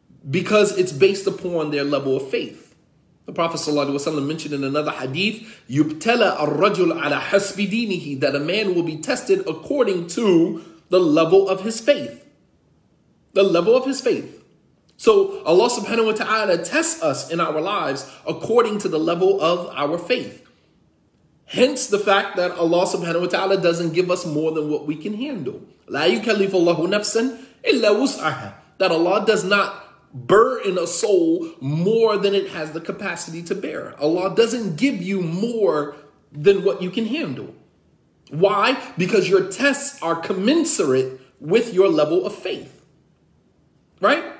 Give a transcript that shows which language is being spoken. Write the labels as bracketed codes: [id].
[en] Because it's based upon their level of faith. The Prophet ﷺ mentioned in another hadith, [ar] يُبْتَلَى الرَّجُلُ عَلَى حَسْبِ دِينِهِ, [en] that a man will be tested according to the level of his faith. The level of his faith. So Allah subhanahu wa ta'ala tests us in our lives according to the level of our faith. Hence the fact that Allah subhanahu wa ta'ala doesn't give us more than what we can handle. [ar] لا يكلف الله نفسا إلا وسعها. [en] That Allah does not burden a soul more than it has the capacity to bear. Allah doesn't give you more than what you can handle. Why? Because your tests are commensurate with your level of faith. Right?